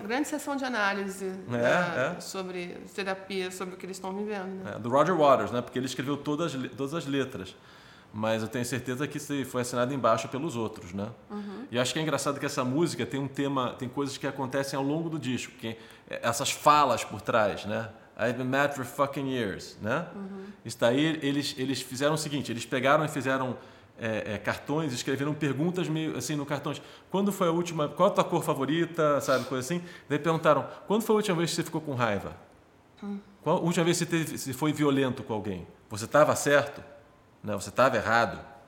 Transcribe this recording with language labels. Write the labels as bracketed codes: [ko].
[pt] grande sessão de análise sobre terapia, sobre o que eles estão vivendo. Né? Do Roger Waters, né? Porque ele escreveu todas as letras. Mas eu tenho certeza que isso foi assinado embaixo pelos outros, né? E acho que é engraçado que essa música tem um tema, tem coisas que acontecem ao longo do disco. Que, essas falas por trás, né? [en] I've been mad for fucking years, né? [pt] Isso daí, eles fizeram o seguinte, eles pegaram e fizeram... cartões, escreveram perguntas meio assim no cartão. Quando foi a última... Qual a tua cor favorita, sabe? Coisa assim. Daí perguntaram, quando foi a última vez que você ficou com raiva? Qual a última vez que você foi violento com alguém? Você estava certo? Né? Você estava errado?